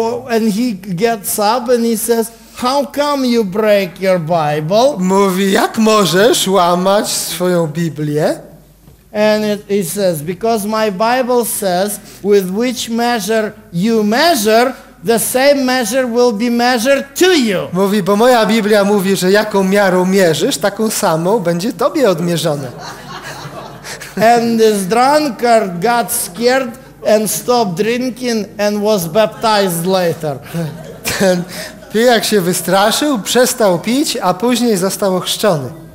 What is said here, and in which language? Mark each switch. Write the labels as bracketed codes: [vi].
[en] And he gets up and he says, how come you break your Bible? [pl] Mówi, jak możesz łamać swoją Biblię? [en] And he says, because my Bible says, with which measure you measure, the same measure will be measured to you. [pl] Mówi, bo moja Biblia mówi, że jaką miarą mierzysz, taką samą będzie tobie odmierzone. [en] And this drunkard got scared and stopped drinking and was baptized later. [pl] Ten pijak się wystraszył, przestał pić, a później został ochrzczony.